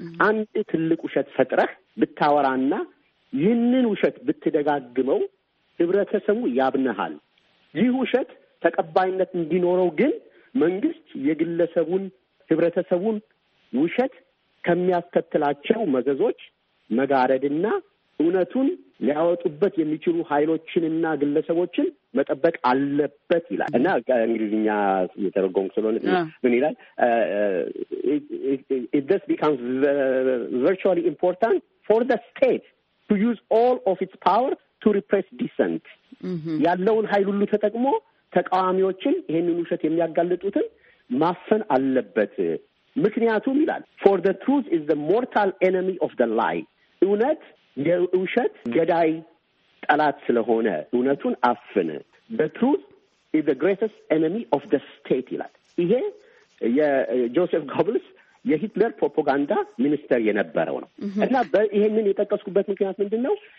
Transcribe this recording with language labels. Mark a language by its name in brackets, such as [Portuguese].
[Amharic] አንድ ትልቅ ውሸት ፈጥረህ ብታወራና ይህንን ውሸት ብትደጋግመው ህብረተሰቡ ያብነሃል። ይህ ውሸት ተቀባይነት እንዲኖረው ግን መንግስት የግለሰቡን ህብረተሰቡን ውሸት ከሚያስከትላቸው መዘዞች መጋረድና እውነቱን ሊያወጡበት የሚችሉ ኃይሎችንና ግለሰቦችን መጠበቅ አለበት ይላል እና እንግሊዝኛ የተረጎም ስለሆነ ምን ይላል? [English] This becomes virtually important for the state to use all of its power to repress dissent. [Amharic] ያለውን ኃይል ሁሉ ተጠቅሞ ተቃዋሚዎችን ይህንን ውሸት የሚያጋልጡትን ማፈን አለበት። ምክንያቱም ይላል [English] for the truth is the mortal enemy of the lie. [Amharic] እውነት የውሸት ገዳይ ጠላት ስለሆነ እውነቱን አፍን። [English] the truth is the greatest enemy of the state [Amharic] ይላል። ይሄ የጆሴፍ ጎብልስ የሂትለር ፕሮፓጋንዳ ሚኒስተር የነበረው ነው እና ይሄንን የጠቀስኩበት ምክንያት ምንድን ነው?